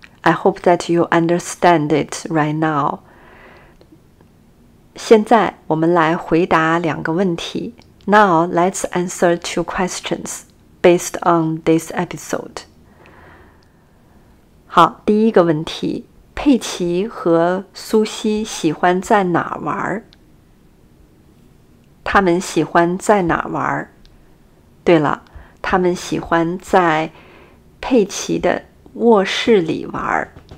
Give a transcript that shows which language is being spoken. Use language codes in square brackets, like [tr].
[en] I hope that you understand it right now. [zh] 现在我们来回答两个问题。 [en] Now let's answer two questions based on this episode. [zh] 好，第一个问题。佩奇和苏西喜欢在哪儿玩？他们喜欢在哪儿玩？对了，他们喜欢在佩奇的卧室里玩。